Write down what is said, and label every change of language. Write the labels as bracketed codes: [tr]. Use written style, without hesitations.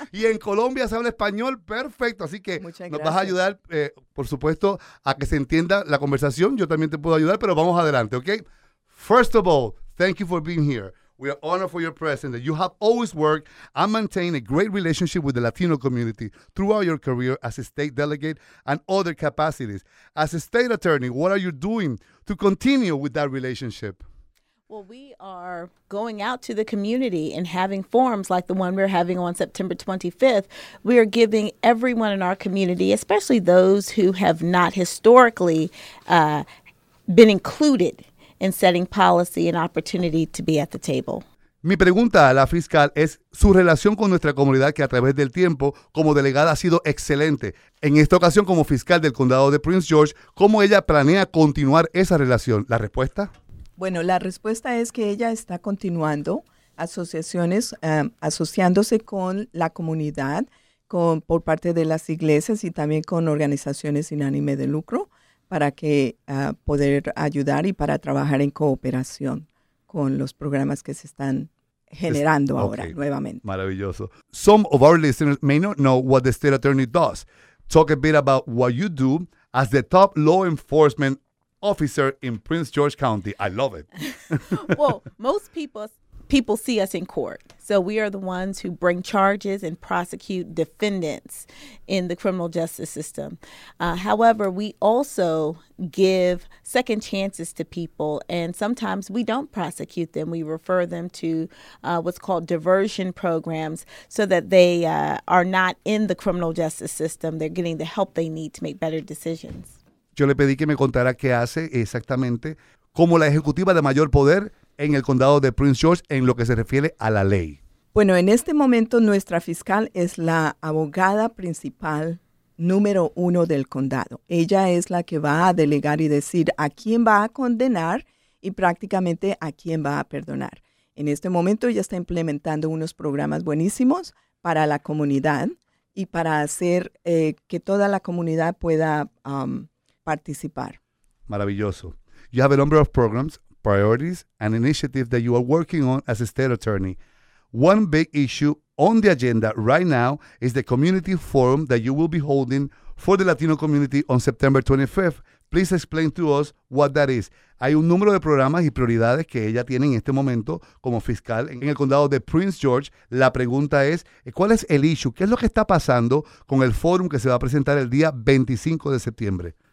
[es] Y en Colombia se habla español perfecto, así que nos vas a ayudar, por supuesto, a que se entienda la conversación. Yo también te puedo ayudar, pero vamos adelante, okay? [en] First of all, thank you for being here. We are honored for your presence. That you have always worked and maintained a great relationship with the Latino community throughout your career as a state delegate and other capacities. As a state attorney, what are you doing to continue with that relationship? Well, we are going out to the community and having forums like the one we're having on September 25th. We are giving everyone in our community, especially those who have not historically been included in setting policy and opportunity to be at the table. [es] Mi pregunta a la fiscal es su relación con nuestra comunidad que a través del tiempo como delegada ha sido excelente. En esta ocasión como fiscal del condado de Prince George, ¿cómo ella planea continuar esa relación? ¿La respuesta? Bueno, la respuesta es que ella está continuando asociaciones, asociándose con la comunidad, por parte de las iglesias y también con organizaciones sin ánimo de lucro, para que poder ayudar y para trabajar en cooperación con los programas que se están generando ahora nuevamente. Maravilloso. [en] Some of our listeners may not know what the state attorney does. Talk a bit about what you do as the top law enforcement officer in Prince George County. I love it. Well, most people see us in court. So we are the ones who bring charges and prosecute defendants in the criminal justice system. However, we also give second chances to people, and sometimes we don't prosecute them. We refer them to what's called diversion programs so that they are not in the criminal justice system. They're getting the help they need to make better decisions. [es] Yo le pedí que me contara qué hace exactamente como la ejecutiva de mayor poder en el condado de Prince George en lo que se refiere a la ley. Bueno, en este momento nuestra fiscal es la abogada principal número uno del condado. Ella es la que va a delegar y decir a quién va a condenar y prácticamente a quién va a perdonar. En este momento ella está implementando unos programas buenísimos para la comunidad y para hacer que toda la comunidad pueda participar. Maravilloso. [en] You have a number of programs, priorities, and initiatives that you are working on as a state attorney. One big issue on the agenda right now is the community forum that you will be holding for the Latino community on September 25th. Please explain to us what that is. [es] Hay un número de programas y prioridades que ella tiene en este momento como fiscal en el condado de Prince George. La pregunta es, ¿cuál es el issue? ¿Qué es lo que está pasando con el forum que se va a presentar el día 25 de septiembre?